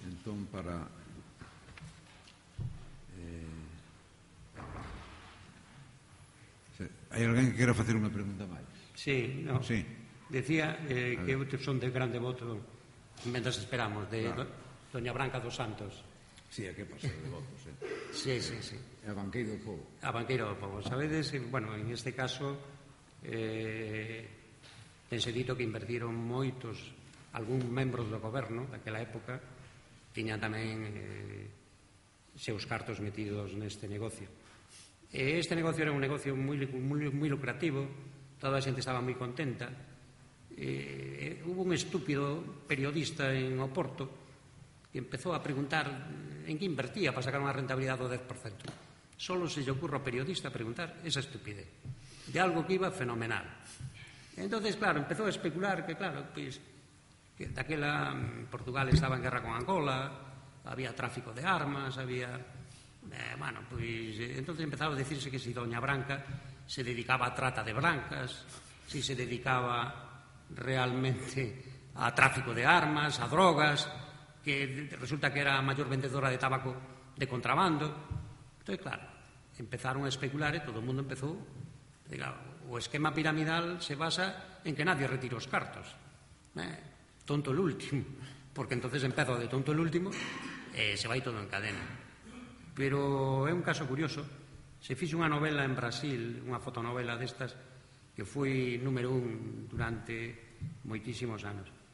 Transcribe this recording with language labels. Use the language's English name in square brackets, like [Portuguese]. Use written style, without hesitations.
[Galician] Entón, para hai alguén que quera facer unha pregunta máis? Sí, no. Sí. Decía que eu son de gran devoto, mentras esperamos, de claro. Doña Branca dos Santos. Sí, é que pasa de votos, Sí, sí, sí. A banqueiro do povo. A banqueiro do povo. Sabedes, bueno, en este caso, tense dito que invertiron moitos, algún membro do goberno daquela época, tiña tamén seus cartos metidos neste negocio. Este negocio era un negocio moi, moi, moi lucrativo, toda a xente estaba moi contenta. [Spanish] Hubo un estúpido periodista [Galician] en Oporto que empezou a preguntar en que invertía para sacar unha rentabilidade do 10%. [Spanish] Solo se [Galician] lle ocurre ao periodista preguntar esa estupidez de algo que iba fenomenal. [Spanish] Entonces, claro, [Galician] empezou a especular que, claro, pues, que daquela Portugal estaba en guerra con Angola, había tráfico de armas, había... [Spanish] entonces empezaba a decirse que si Doña Branca se dedicaba a trata de blancas, si se dedicaba realmente a tráfico de armas, a drogas, que resulta que era a maior vendedora de tabaco de contrabando. Entonces, claro, empezaron a especular [Galician] e todo o mundo empezou. O esquema piramidal [Spanish] se basa en que nadie retira [Galician] os cartos. [Spanish] Tonto el último, porque entonces [Galician] empezo [Spanish] de tonto el último [Galician] e se vai todo en cadena. Pero é un caso curioso. Se fixe unha novela en Brasil, unha fotonovela destas, que foi número un durante moitísimos anos.